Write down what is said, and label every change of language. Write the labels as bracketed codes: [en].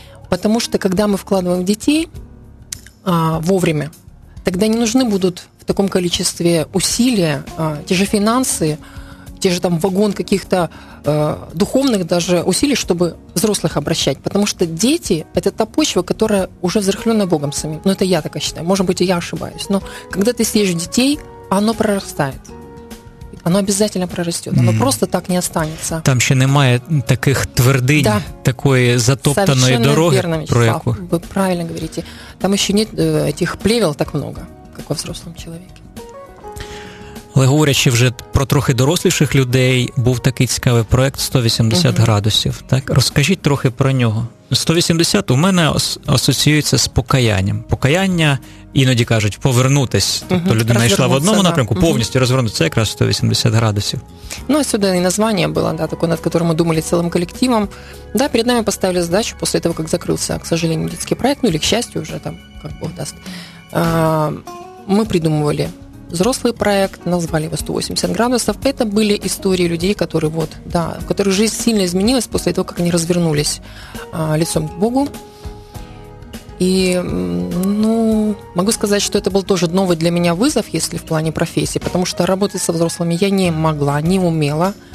[ru] Потому что, когда мы вкладываем в детей вовремя, тогда не нужны будут в таком количестве усилия, те же финансы, те же там вагон каких-то духовных даже усилий, чтобы взрослых обращать. Потому что дети – это та почва, которая уже взрыхлена Богом самим. Ну, это я так считаю. Может быть, и я ошибаюсь. Но когда ты съешь детей, оно прорастает. Оно обязательно прорастет. Оно просто так не останется. Там еще немає таких твердынь, да. Такой затоптанной дороги. Совершенно верно, Вячеслав. Вы правильно говорите. Там еще нет этих плевел так много. [uk] Як у взрослому чоловіку. Але говорячи вже про трохи доросліших людей, був такий цікавий проєкт «180 градусів». Так? Розкажіть трохи про нього. 180 у мене асоціюється з покаянням. Покаяння, іноді кажуть, повернутись. Тобто людина йшла в одному напрямку, повністю розвернутися, якраз 180 градусів. Ну, а сюди і названня було, да, таке, над яким ми думали цілим колективом. Да, перед нами поставили задачу, після того, як закрився, [ru] к сожалению, [uk] дитячий проєкт, ну, [ru] или, к счастью, [uk] вже там, як Бог дасть. [ru] Мы придумывали взрослый проект, назвали его 180 градусов. Это были истории людей, которые вот, да, в которых жизнь сильно изменилась после того, как они развернулись лицом к Богу. И, ну, могу сказать, что это был тоже новый для меня вызов, если в плане профессии, потому что работать со взрослыми я не могла, не умела.